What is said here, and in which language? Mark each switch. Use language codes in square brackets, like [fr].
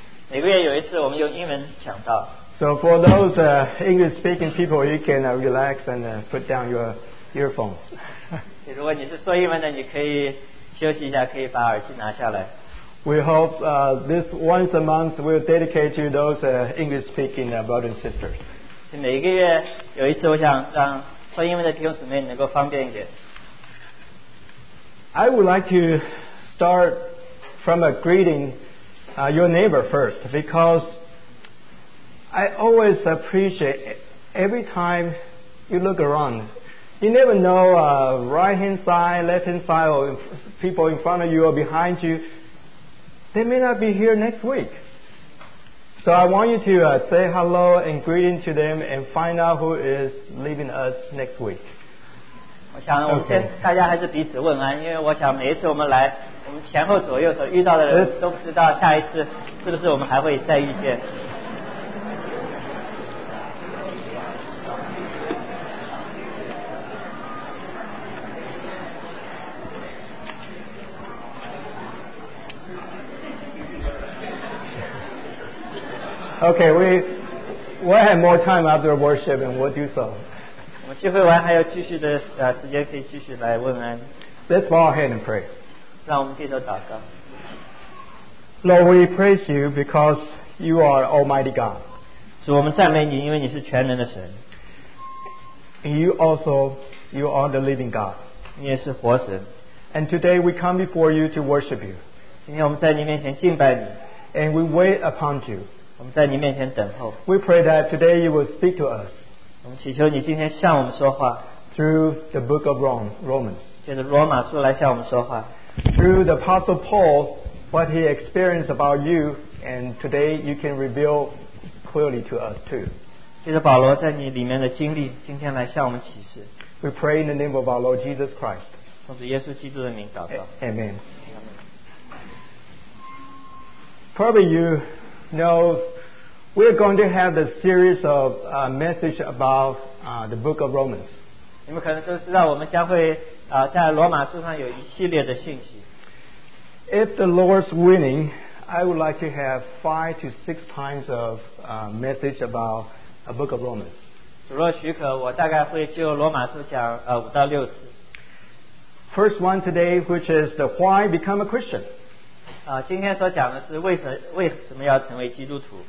[zh] 每个月有一次我们用英文讲道。 [en] So for those English speaking people, you can relax and put down your earphones. [zh] 如果你是说英文的，你可以休息一下，可以把耳机拿下来。 [en] We hope this once a month we'll dedicate to those English speaking brothers and sisters. [zh] 每个月有一次，我想让说英文的弟兄姊妹能够方便一点。 [en] I would like to start from a greeting your neighbor first, because I always appreciate every time you look around. You never know right hand side, left hand side, or people in front of you or behind you. They may not be here next week. So I want you to say hello and greeting to them and find out who is leaving us next week. [zh] 我想我们先大家还是彼此问安，因为我想每一次我们来，我们前后左右所遇到的人都不知道下一次是不是我们还会再遇见。 [en] Okay, we have more time after worship and we'll do so. [zh] 我们聚会完还有继续的时间，可以继续来问安。 [en] Let's bow our head and pray. [zh] 让我们低头祷告。 [en] Lord, we praise you because you are Almighty God. [zh] 主，我们赞美你，因为你是全能的神。 [en] And you are the living God. [zh] 你也是活神。 [en] And today we come before you to worship you. [zh] 今天我们在你面前敬拜你。 [en] And we wait upon you. [zh] 我们在你面前等候。 [en] We pray that today you will speak to us. [zh] 我们祈求你今天向我们说话 [en] through the book of Romans [zh] 借着罗马书来向我们说话 [en] through the apostle Paul what he experienced about you and today you can reveal clearly to us too [zh] 借着保罗在你里面的经历今天来向我们启示 [en] we pray in the name of our Lord Jesus Christ [zh] 奉主耶稣基督的名祷告 [en] Amen Probably you knowWe're going to have a series of message about the book of Romans. [zh] 你们可能都知道我们将会在罗马书上有一系列的信息。 [en] If the Lord's willing, I would like to have 5 to 6 times of message about a book of Romans. [zh] 主若许可，我大概会就罗马书讲5到6次。 [en] First one today, which is the why become a Christian. [zh] 今天所讲的是为什么要成为基督徒